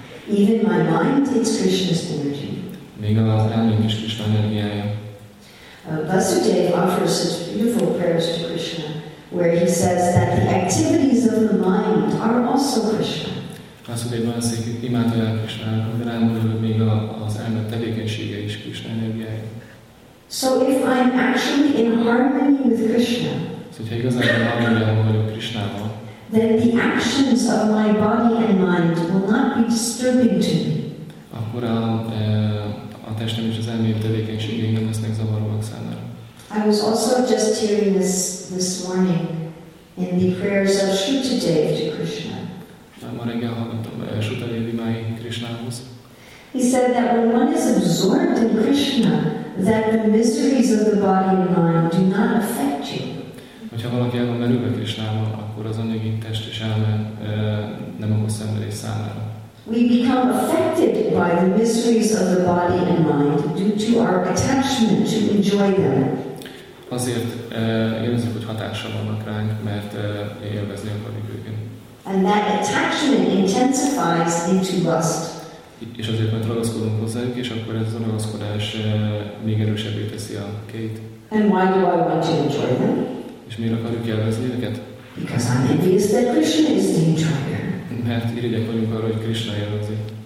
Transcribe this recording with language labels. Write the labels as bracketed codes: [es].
[en] Even my mind, it's Krishna's energy. [hu] Még az álmunk is Krishna energiája. [en] Vasudeva offers such beautiful prayers to Krishna, where he says that the activities of the mind are also Krishna. [hu] Vasudeva szép imádja Krishna, de rámondja, hogy még az elme tevékenysége is Krishna energiája. [en] So if I'm actually in harmony with Krishna, so if I'm actually in harmony with Krishna, then the actions of my body and mind will not be disturbing to me. [hu] Akkor a testem és az elmém tevékenységei nem lesznek zavaróak számára. [en] I was also just hearing this morning in the prayers of Shutadev to Krishna. [hu] Ma reggel hallgattam Shutadev imái Krishnához. [en] He said that when one is absorbed in Krishna, that the miseries of the body and mind do not affect you. [hu] Hogyha valaki el van merülve Krishnával, akkor az anyagi test és elme nem okoz szenvedés számára. [en] We become affected by the miseries of the body and mind due to our attachment to enjoy them. [hu] Azért érezzük, hogy hatással vannak ránk, mert élvezni akarjuk őket. [en] And that attachment intensifies into lust. [hu] És azért, mert ragaszkodunk hozzájuk, és akkor ez a ragaszkodás még erősebbé teszi a kéjt. [en] And why do I want to enjoy them? [hu] És miért akarjuk élvezni őket? [en] Because I'm envious that Krishna is the enjoyer. [hu] Mert irigyek vagyunk arra, hogy Krishna élvezi.